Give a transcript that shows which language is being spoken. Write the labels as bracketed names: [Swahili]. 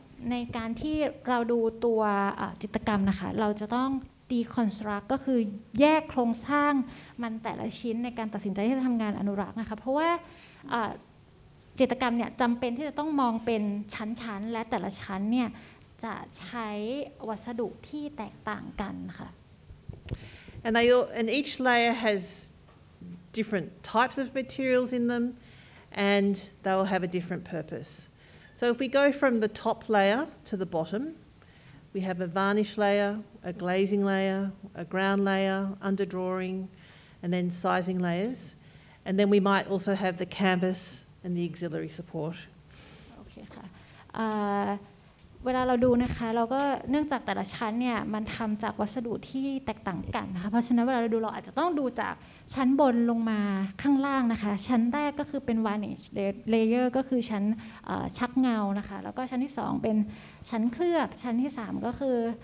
[Thai] ในการที่เราดูตัวจิตรกรรมนะคะเราจะต้องDeconstruct ก็คือแยกโครงสร้างมันแต่ละชิ้นในการตัดสินใจที่จะทำงานอนุรักษ์นะคะเพราะว่าจิตรกรรมเนี่ยจำเป็นที่จะต้องมองเป็นชั้นๆและแต่ละชั้นเนี่ยจะใช้วัสดุที่แตกต่างกันค่ะ [English] And each layer has different types of materials in them and they will have a different purpose. So if we go from the top layer to the bottom, we have a varnish layerA glazing layer, a ground layer, underdrawing, and then sizing layers. And then we might also have the canvas and the auxiliary support. [Thai] Okay, ค่ะ เวลาเราดูนะคะ เราก็เนื่องจากแต่ละชั้นเนี่ย มันทำจากวัสดุที่แตกต่างกันนะคะ เพราะฉะนั้นเวลาเราดูเราอาจจะต้องดูจากชั้นบนลงมาข้างล่างนะคะ ชั้นแรกก็คือเป็น varnish layer ก็คือชั้นชักเงานะคะ แล้วก็ชั้นที่สองเป็นชั้นเคลือบ ชั้นที่สามก็คือ